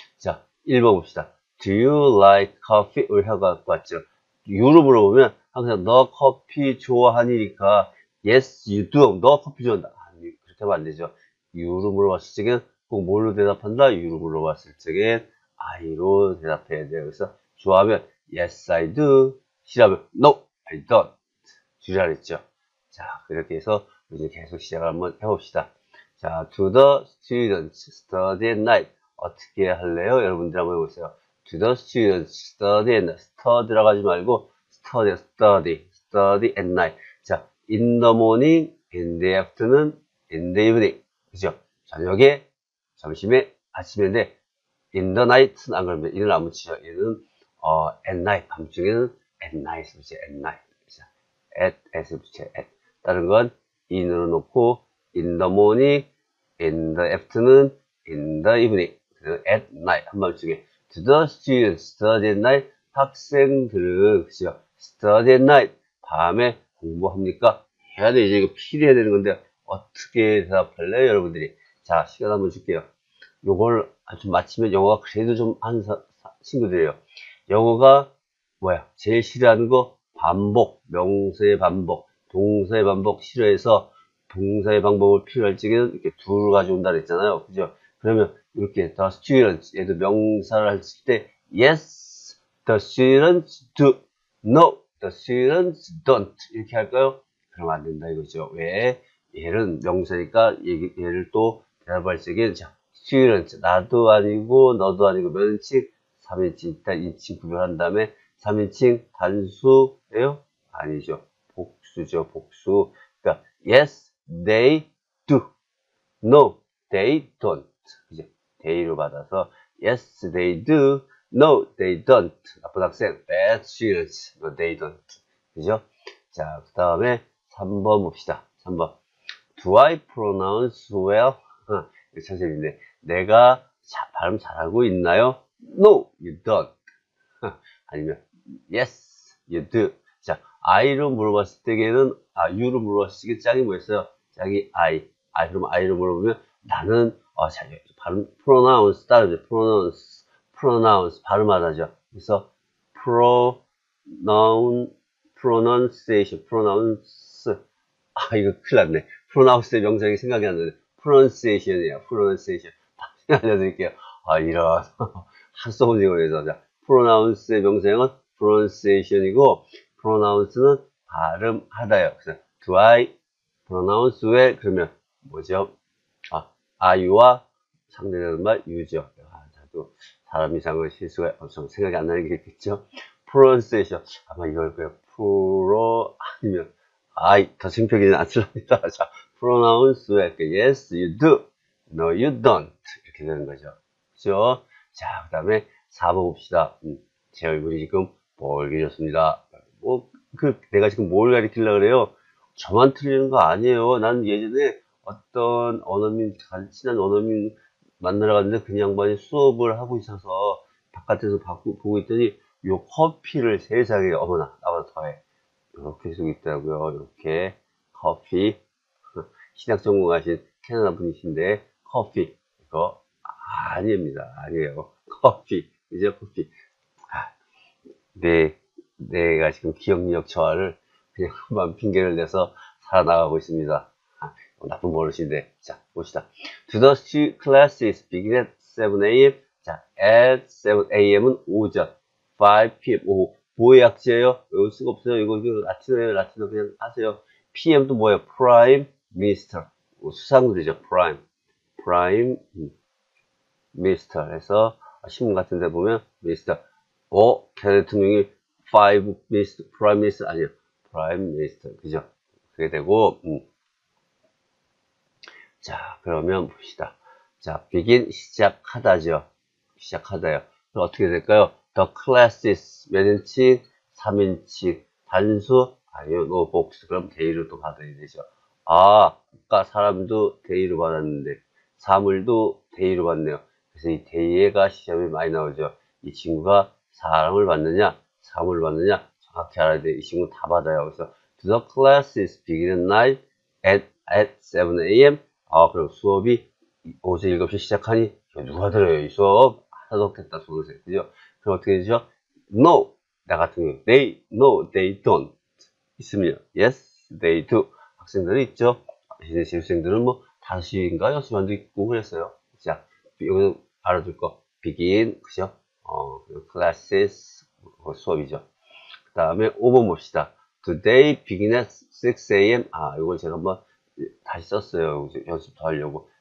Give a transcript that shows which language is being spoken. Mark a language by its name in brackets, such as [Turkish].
[Korean] 자, 1번 봅시다. [English] Do you like coffee? [Korean] 을 해가 왔죠. You로 물어보면 항상 너 커피 좋아하니까 [English] Yes, you do. [Korean] 너 커피 좋아한다. 아니, 그렇게 하면 안 되죠. You로 물어봤을 적엔 꼭 뭘로 대답한다? You로 물어봤을 적엔 I로 대답해야 돼요. 그래서 좋아하면 [English] Yes, I do. [Korean] 싫어하면 [English] No, I don't. [Korean] 줄이라 그랬죠. 자, 그렇게 해서 이제 계속 시작을 한번 해봅시다. [English] 자, Do the students study at night? [Korean] 어떻게 할래요? 여러분들 한번 해보세요. [English] Do the students study at night? Study라고 [Korean] 하지 말고 [English] study at night. 자, in the morning, in the afternoon, in the evening. [Korean] 그죠? 저녁에, 점심에, 아침에인데 [English] in the night [Korean] 는 안 그러면 이는 안 붙이죠. 이는 at night, 밤중에는 at night 붙여, at night. at에 붙여, at. 다른 건 in으로 놓고 [English] in the morning, in the afternoon, in the evening, at night [Korean] 한밤중에. [English] Do the students study at night? [Korean] 학생들은 그죠? [English] study at night [Korean] 밤에 공부합니까? 해야 돼. 이제 이거 필해야 되는 건데 어떻게 대답할래요, 여러분들이? 자, 시간 한번 줄게요. 요걸 좀 맞히면 영어가 그래도 좀 하는 친구들이에요. 영어가 뭐야? 제일 싫어하는 거 반복, 명사의 반복, 동사의 반복 싫어해서 동사의 반복을 필요할 적에는 이렇게 둘을 가져온다 그랬잖아요. 그죠? 그러면 이렇게 the students 얘도 명사를 할때 [English] yes the students do, no the students don't [Korean] 이렇게 할까요? 그러면 안 된다 이거죠. 왜? 얘는 명사니까 얘를 또 대답할 적에는 자, students 나도 아니고 너도 아니고 몇 인칭? 3인칭 일단 인칭 구별한 다음에 3인칭 단수예요? 아니죠. 복수죠. 복수. 그러니까 [English] yes, they do. No, they don't. 이제 they로 [Korean] 받아서 [English] yes, they do. No, they don't. [Korean] 나쁜 학생. [English] Bad students. No, they don't. 그죠? [Korean] 자, 그 다음에 3번 봅시다. 3번. [English] Do I pronounce well? [Korean] 선생님인데 내가 발음 잘하고 있나요? [English] No, you don't. [Korean] 아니면 [English] yes, you do. [Korean] 자, I로 물어봤을 때에는 you로 물어봤을 때 짝이 뭐였어요? 짝이 I. 그럼 I로 물어보면 나는 잘 발음 pronounce 따르죠. pronounce 발음하다죠. 그래서 pronoun, [English] pronunciation, pronounce. [Korean] 아, 이거 큰일 났네. pronounce의 명사가 생각이 안 나네. pronunciation이에요. pronunciation. 다시 알려드릴게요. 아, 이런. 합성어를 해서 하자. pronounce의 명사형은 pronunciation이고, pronounce는 발음하다요. 그래서, [English] do I pronounce well? [Korean] 그러면, 뭐죠? 아, I와 상대되는 말, use요. 아, 나도 사람 이상은 실수가 없어서 생각이 안 나는 게 있겠죠? pronunciation. 아마 이걸 거예요. pro, 아니면, I, 더 창피하기는 않습니다. [English] 자, pronounce well. yes, you do. no, you don't. [Korean] 이렇게 되는 거죠. 그죠? 자, 그 다음에 4번 봅시다. 제 얼굴이 지금 벌개졌습니다. 뭐, 내가 지금 뭘 가리키려고 그래요? 저만 틀리는 거 아니에요. 난 예전에 어떤 언어민, 친한 언어민 만나러 갔는데 그 양반이 수업을 하고 있어서 바깥에서 보고 있더니 요 커피를 세상에, 어머나, 나보다 더해. 이렇게 쓰고 있더라고요. 이렇게. 커피. 신학 전공하신 캐나다 분이신데, 커피. 이거 아닙니다. 아니에요. 커피. 이제 커피. 내가 지금 기억력 저하를 그냥 한번 핑계를 내서 살아나가고 있습니다. 아, 나쁜 버릇인데. 자, 봅시다. [English] Do the three classes begin at 7 a.m.? [Korean] 자, at 7 a.m.은 오전. 5 p.m. 오후. 뭐의 약자예요? 외울 수가 없어요. 이거 라틴어예요. 라틴어 그냥 하세요. PM도 뭐예요? Prime Minister. 수상들이죠. Prime Minister 해서 신문 같은 데 보면 Minister. 캐나다 대통령이 [English] Five Minister, Prime Minister 아니요, Prime Minister 그죠? [Korean] 그게 되고, 자 그러면 봅시다. 자 begin 시작하다죠. 시작하다요. 그럼 어떻게 될까요? The classes 몇 인치? 3인치 단수? 아니요, no box. 그럼 데이로 또 받아야 되죠. 아, 아까 사람도 데이로 받았는데 사물도 데이로 받네요. 그래서 이 데이가 시험에 많이 나오죠. 이 친구가 사람을 받느냐, 사물을 받느냐, 정확히 알아야 돼. 이 친구 다 받아요. [English] 그래서, Do the classes begin at night at 7 a.m.? [Korean] 아, 그럼 수업이 오전 7시 시작하니? 누가 들어요, 이 수업? 하나도 없겠다, 소문세. 그죠? 그럼 어떻게 되죠? No! 나 같은 경우, [English] they, no, they don't. [Korean] 있으면, [English] yes, they do. [Korean] 학생들은 있죠? 이제 재수생들은 뭐, 5시인가 6시 반도 있고 그랬어요. 자, 여기서 알아둘 거, begin, 그죠? 클래스 수업이죠. 그 다음에 5번 봅시다. [English] Today begin at 6 a.m. [Korean] 아, 이걸 제가 한번 다시 썼어요. 연습 더 하려고.